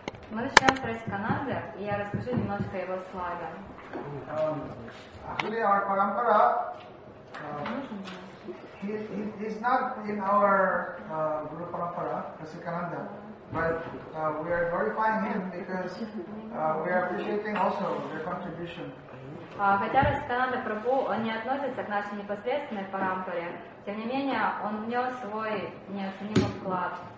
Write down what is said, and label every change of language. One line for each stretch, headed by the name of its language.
Russian: Мы начинаем про Сивананду, и я расскажу немножко его славе.
English: Actually, our parampara, he's not in our guru parampara, Sivananda, but we are glorifying him because we are appreciating also their contribution.
Russian: Хотя Сивананда Прабху не относится к нашей непосредственной парампаре, тем не менее он внес свой неоценимый вклад.